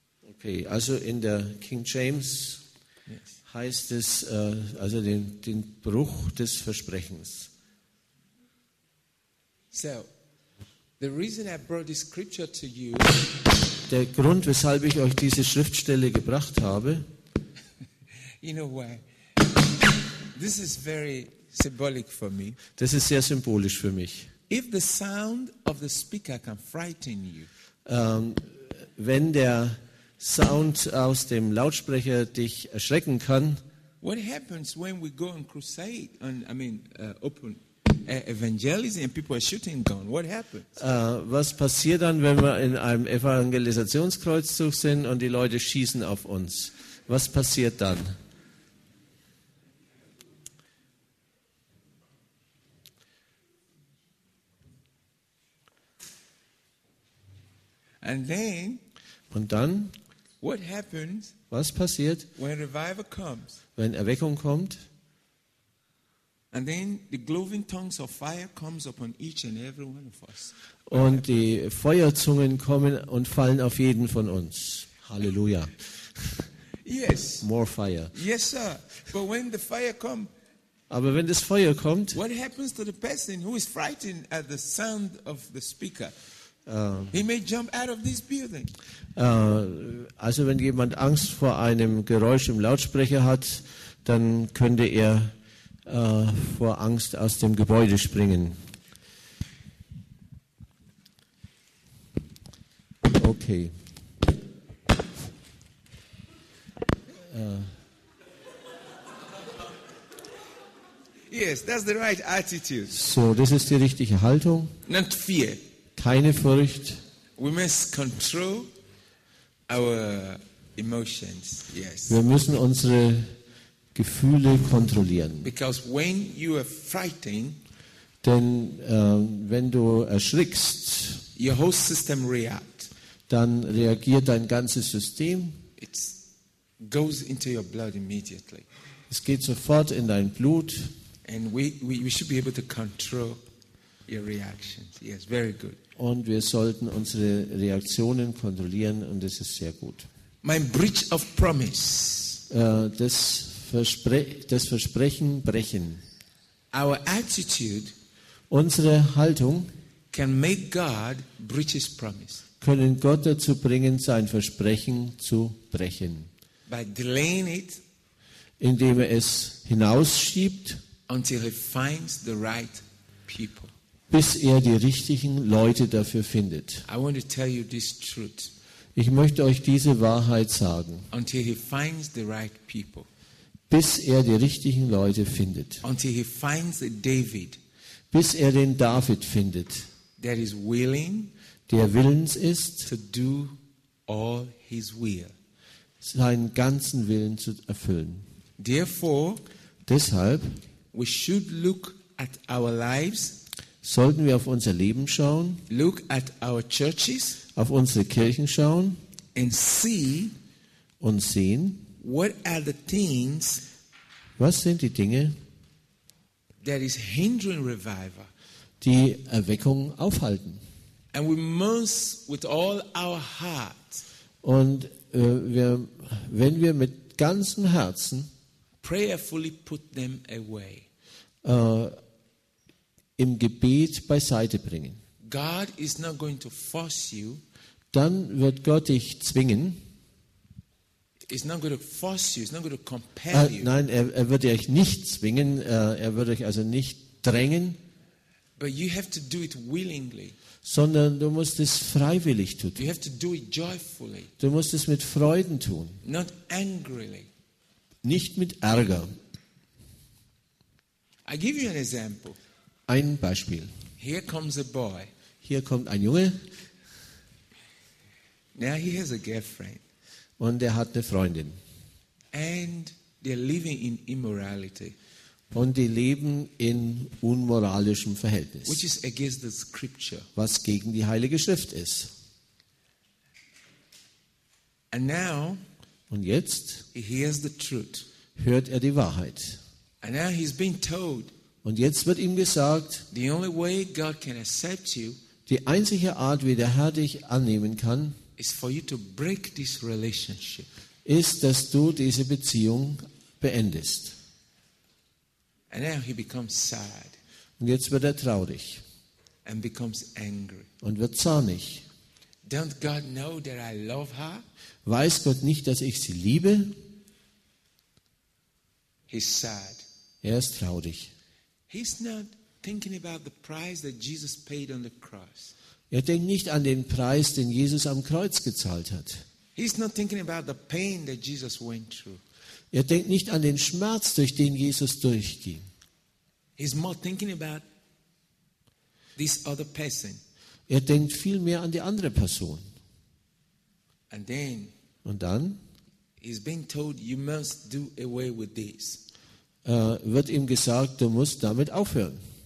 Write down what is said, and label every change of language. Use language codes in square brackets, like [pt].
[de] Okay, also in der King James heißt es, also den Bruch des Versprechens. [en] So, the reason I brought this scripture to you, [de] der Grund, weshalb ich euch diese Schriftstelle gebracht habe, [en] you know why? This is very symbolic for me. [de] Das ist sehr symbolisch für mich. [en] If the sound of the speaker can frighten you, [de] wenn der Sound aus dem Lautsprecher dich erschrecken kann. [en] What happens when we go on crusade and I mean open evangelism and people are shooting guns? What happens? [de] Was passiert dann, wenn wir in einem Evangelisationskreuzzug sind und die Leute schießen auf uns? Was passiert dann? [en] And then, [de] und dann? [en] What happens? [de] Was passiert? [en] When revival comes. [de] Wenn Erweckung kommt. [en] And then the glowing tongues of fire comes upon each and every one of us. [de] Und die Feuerzungen kommen und fallen auf jeden von uns. Halleluja. [en] Yes. More fire. Yes, sir. But when the fire comes. [de] Aber wenn das Feuer kommt. [en] What happens to the person who is frightened at the sound of the speaker? He may jump out of this building. [de] Also wenn jemand Angst vor einem Geräusch im Lautsprecher hat, dann könnte er vor Angst aus dem Gebäude springen. [en] Okay. Yes, that's the right attitude. [de] So, das ist die richtige Haltung. [en] Not fear. [de] Keine Furcht. [en] We must control our emotions. Yes. [de] Wir müssen unsere Gefühle kontrollieren. [en] Because when you are frightened, [de] denn wenn du erschrickst, [en] your whole system reacts. [de] Dann reagiert dein ganzes System. [en] It goes into your blood immediately. [de] Es geht sofort in dein Blut. [en] And we should be able to control your reactions. Yes, very good. [de] Und wir sollten unsere Reaktionen kontrollieren, und das ist sehr gut. [en] My breach of promise. [de] Das Versprechen brechen. [en] Our attitude. [de] Unsere Haltung. [en] Can make God breach his promise. [de] Können Gott dazu bringen, sein Versprechen zu brechen. [en] By delaying it. [de] Indem er es hinausschiebt. [en] Until he finds the right people. [de] Bis er die richtigen Leute dafür findet. [en] I want to tell you this truth. [de] Ich möchte euch diese Wahrheit sagen. [en] Until he finds the right people. [de] Bis er die richtigen Leute findet. [en] Until he finds the David. [de] Bis er den David findet. [en] That is willing, [de] der willens ist, [en] to do all his will. [de] seinen ganzen Willen zu erfüllen. [en] Therefore, [de] deshalb [en] we should look at our lives, [de] sollten wir auf unser Leben schauen, [en] look at our churches, [de] auf unsere Kirchen schauen [en] and see, [de] und sehen, [en] what are the things, [de] was sind die Dinge, [en] that is hindering revival, [de] die Erweckung aufhalten. [en] And we must with all our heart, [de] und wenn wir mit ganzem Herzen [en] prayerfully put them away, [de] im Gebet beiseite bringen, [en] God is not going to force you, [de] dann wird Gott dich zwingen. [en] He's not going to force you, he's not going to compel you. [de] Nein, er wird euch nicht zwingen, er wird euch also nicht drängen. [en] But you have to do it willingly. [de] Sondern du musst es freiwillig tun. [en] You have to do it joyfully. [de] Du musst es mit Freuden tun. [en] Not angrily. [de] Nicht mit Ärger. [en] I give you an example. [de] Ein Beispiel. [en] Here comes a boy. [de] Hier kommt ein Junge. [en] Now he has a girlfriend. [de] Und er hat eine Freundin. [en] And they're living in immorality. [de] Und die leben in unmoralischem Verhältnis. [en] Which is against the scripture. [de] Was gegen die Heilige Schrift ist. [en] And now, [de] und jetzt [en] he hears the truth. [de] Hört er die Wahrheit. [en] And now he's been told, [de] und jetzt wird ihm gesagt, [en] the only way God can accept you, [de] die einzige Art, wie der Herr dich annehmen kann, [en] is for you to break this relationship. [de] Ist, dass du diese Beziehung beendest. [en] And now he becomes sad. [de] Und jetzt wird er traurig. [en] And becomes angry. [de] Und wird zornig. [en] Don't God know that I love her? [de] Weiß Gott nicht, dass ich sie liebe? [en] He's sad. [de] Er ist traurig. [en] He's not thinking about the price that Jesus paid on the cross. [de] Er denkt nicht an den Preis, den Jesus am Kreuz gezahlt hat. [en] He's not thinking about the pain that Jesus went through. [de] Er denkt nicht an den Schmerz, durch den Jesus durchging. [en] He's more thinking about this other person. [de] Er denkt viel mehr an die andere Person. [en] And then, [de] und dann [en] he's being told, you must do away with this. [de] Wird ihm gesagt, du musst damit aufhören.